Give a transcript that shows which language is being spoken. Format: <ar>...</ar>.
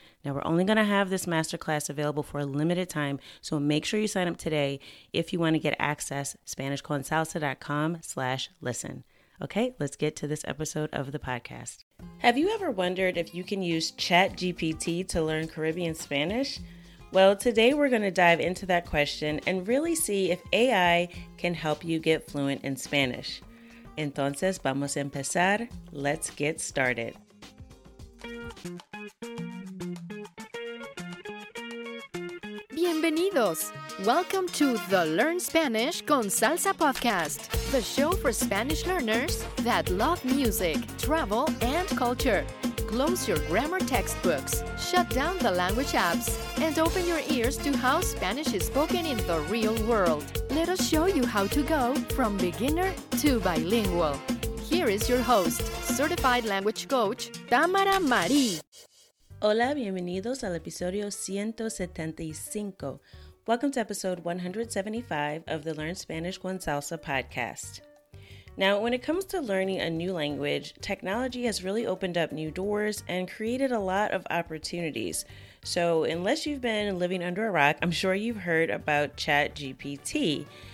<en>Now, we're only going to have this masterclass available for a limited time, so make sure you sign up today if you want to get access, SpanishConSalsa.com/listen. Okay, let's get to this episode of the podcast. Have you ever wondered if you can use ChatGPT to learn Caribbean Spanish? Well, today we're going to dive into that question and really see if AI can help you get fluent in Spanish.</en> <es>Entonces, vamos a empezar.</es> <en>Let's get started.</en> <es>Bienvenidos!</es> <en>Welcome to the Learn Spanish con Salsa podcast, the show for Spanish learners that love music, travel, and culture. Close your grammar textbooks, shut down the language apps, and open your ears to how Spanish is spoken in the real world. Let us show you how to go from beginner to bilingual. Here is your host, certified language coach, Tamara Marie.</en> <es>Hola, bienvenidos al episodio 175.</es> <en>Welcome to episode 175 of the Learn Spanish con Salsa podcast. Now, when it comes to learning a new language, technology has really opened up new doors and created a lot of opportunities. So, unless you've been living under a rock, I'm sure you've heard about ChatGPT.</en>